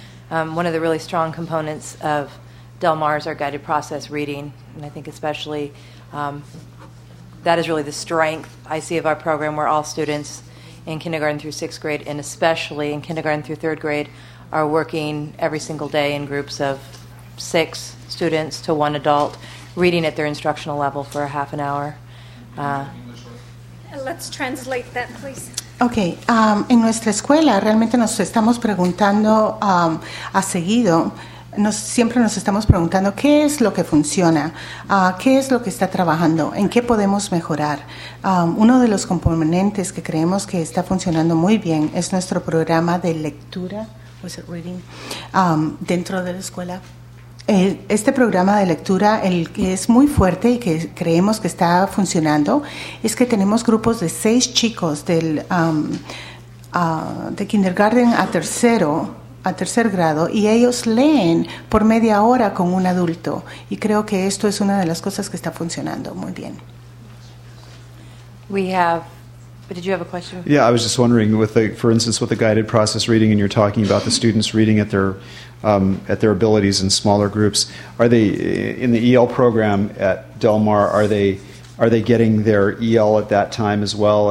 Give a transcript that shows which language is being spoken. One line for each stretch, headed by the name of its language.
English: One of the really strong components of Del Mar is our guided process reading, and I think especially that is really the strength I see of our program, where all students in kindergarten through sixth grade, and especially in kindergarten through third grade, are working every single day in groups of six students to one adult, reading at their instructional level for a half an hour. Let's translate that, please. Okay.
Spanish: En nuestra escuela, realmente nos estamos preguntando a seguido, siempre nos estamos preguntando qué es lo que funciona, qué es lo que está trabajando, en qué podemos mejorar. Uno de los componentes que creemos que está funcionando muy bien es nuestro programa de lectura.
English: Was it reading?
Spanish: Dentro de la escuela. Este programa de lectura, el que es muy fuerte y que creemos que está funcionando, es que tenemos grupos de seis chicos del de kindergarten a tercer grado, y ellos leen por media hora con un adulto. Y creo que esto es una de las cosas que está funcionando muy bien.
English: We have. But did you have a question? Yeah, I was just wondering, with the guided process reading, and you're talking about the students reading at their abilities in smaller groups. Are they in the EL program at Del Mar? Are they getting their EL at that time as well?